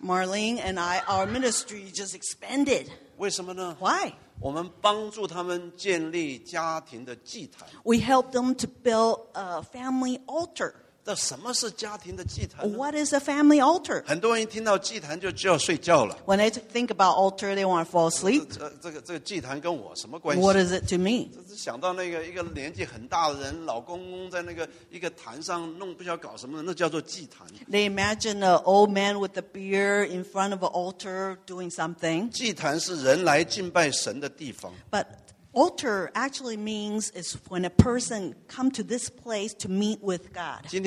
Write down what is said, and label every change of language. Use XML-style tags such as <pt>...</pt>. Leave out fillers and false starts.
<en>Marlene and I, our ministry just expanded.</en> <zh>为什么呢?</zh> <en>Why?</en> <zh>我们帮助他们建立家庭的祭坛,</zh> <en>we help them to build a family altar.</en> <zh>这什么是家庭的祭坛呢?</zh> <en>What is a family altar?</en> <zh>很多人听到祭坛就要睡觉了,</zh> <en>when they think about altar, they want to fall asleep.</en> <zh>这个祭坛跟我什么关系?</zh> <en>What is it to me?</en> <zh>想到那个一个年纪很大的人, 老公公在那个一个坛上弄, 不晓得搞什么, 那叫做祭坛。</zh> <en>They imagine an old man with a beard in front of an altar doing something.</en> <zh>祭坛是人来敬拜神的地方,</zh> <en>but altar actually means it's when a person comes to this place to meet with God.</en>